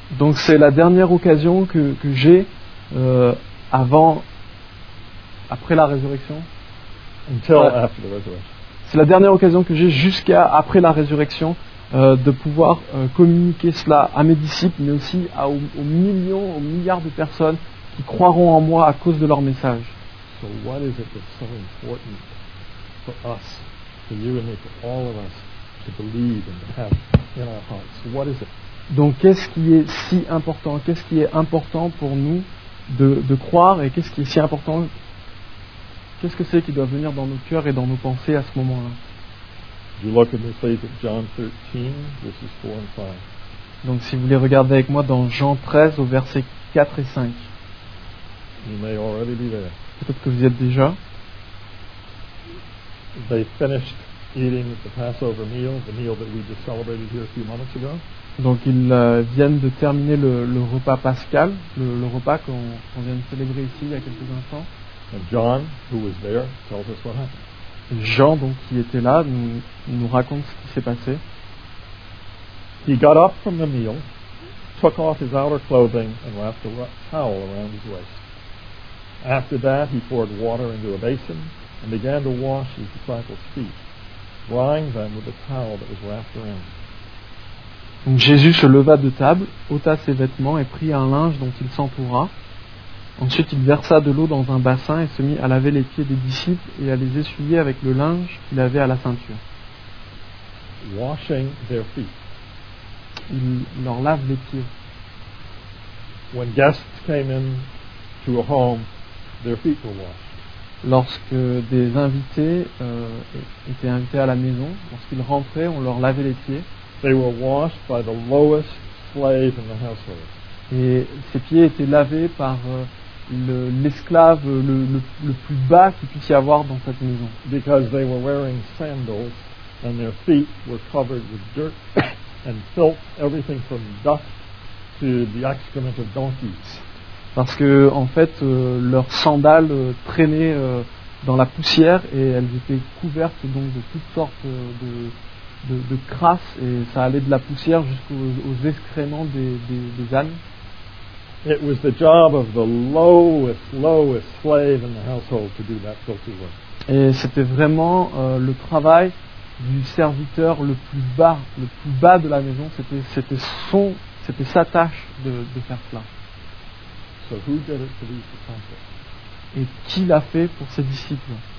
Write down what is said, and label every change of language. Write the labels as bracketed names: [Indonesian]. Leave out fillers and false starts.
[French] Donc c'est la dernière occasion que j'ai après la résurrection. [English] Until after the resurrection. [French] C'est la dernière occasion que j'ai jusqu'à après la résurrection de pouvoir communiquer cela à mes disciples, mais aussi aux millions, aux milliards de personnes qui croiront en moi à cause de leur message. [English] So what is it that's so important for us, for you and me, for all of us, to believe and to have in our hearts? What is it? [French] Donc, qu'est-ce qui est si important? Qu'est-ce qui est important pour nous de croire? Et qu'est-ce qui est si important? Qu'est-ce que c'est qui doit venir dans nos cœurs et dans nos pensées à ce moment-là? [English] Do you look at me, please, at John 13, verses 4 and 5. [French] Donc, si vous voulez regarder avec moi dans Jean 13, au verset 4 et 5. [English] You may already be there. [French] Peut-être que vous y êtes déjà. [English] They finished eating the Passover meal, the meal that we just celebrated here a few moments ago. [French] Donc ils viennent de terminer le repas pascal, le repas qu'on vient de célébrer ici il y a quelques instants. [English] And John, who was there, tells us what happened. [French] Jean, donc, qui était là, nous raconte ce qui s'est passé. [English] He got up from the meal, took off his outer clothing, and wrapped a towel around his waist. After that, he poured water into a basin and began to wash his disciples' feet, drying them with the towel that was wrapped around him. [French] Donc Jésus se leva de table, ôta ses vêtements et prit un linge dont il s'entoura. Ensuite, il versa de l'eau dans un bassin et se mit à laver les pieds des disciples et à les essuyer avec le linge qu'il avait à la ceinture. [English] Washing their feet. [French] Il leur lave les pieds. [English] When guests came in to a home, their feet were washed. [French] Lorsque des invités étaient invités à la maison, lorsqu'ils rentraient, on leur lavait les pieds. [English] They were washed by the lowest slave in the household. [French] Et ses pieds étaient lavés par l'esclave le plus bas qu'il puisse y avoir dans cette maison. [English] Because they were wearing sandals and their feet were covered with dirt and filth, everything from dust to the excrement of donkeys. [French] Parce que en fait leurs sandales traînaient dans la poussière et elles étaient couvertes donc de toutes sortes de crasse et ça allait de la poussière jusqu'aux excréments des ânes. [English] It was the job of the lowest slave in the household to do that filthy work. [French] Et c'était vraiment le travail du serviteur le plus bas de la maison. C'était sa tâche de faire cela. [English] So who did it for these disciples? [French] Et qui l'a fait pour ses disciples?